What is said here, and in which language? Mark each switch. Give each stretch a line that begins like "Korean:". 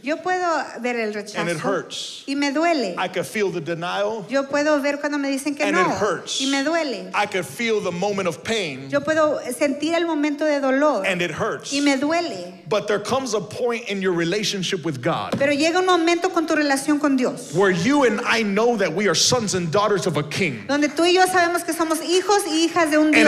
Spanish: Yo puedo ver el rechazo.
English: And it hurts.
Spanish: Y me duele.
English: I can feel the denial.
Spanish: Yo puedo ver cuando me dicen que
English: and
Spanish: no.
English: And it hurts.
Spanish: Y me duele.
English: I can feel the moment of pain.
Spanish: Yo puedo sentir el momento de dolor.
English: And it hurts.
Spanish: Y me duele.
English: But there comes a point in your relationship with God.
Spanish: Pero llega un momento con tu relación con Dios.
English: Where you and I know that we are sons and daughters of a King.
Spanish: Donde tú y yo sabemos que somos hijos y hijas de un Dios.